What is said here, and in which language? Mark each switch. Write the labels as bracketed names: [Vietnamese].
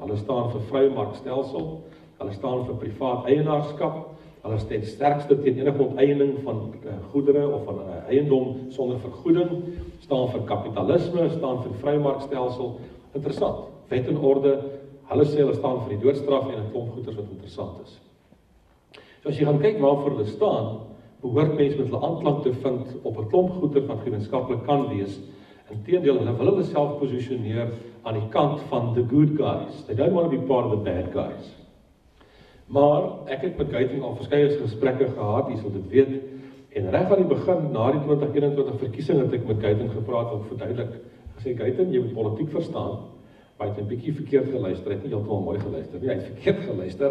[Afrikaans] Hulle staan vir vrye markstelsel, hulle staan vir privaat eienaarskap, hulle steun sterkste teen enige onteiening van goedere of van eiendom sonder vergoeding, staan vir kapitalisme, staan vir vrye markstelsel. Interessant. Wet en orde. Hulle sê hulle staan vir die doodstraf en 'n klomp goeders wat interessant is. So as jy gaan kyk waarvoor hulle staan, behoort mense met hulle aanklank te vind op 'n klomp goeder wat gemeenskaplik kan wees. Inteendeel, hulle wil hulle self posisioneer aan die kant van [English] the good guys. They don't want to be part of the bad guys. [Afrikaans] Maar ek het met Gaitan al verskeie gesprekke gehad, jy sal dit weet. En reg van die begin na die 2021 verkiesing het ek met Gaitan gepraat om verduidelik. Ek sê Gaitan, jy moet politiek verstaan. Hy het 'n bietjie verkeerd geluister, hy het nie heeltemal mooi geluister nie. Hy het verkeerd geluister.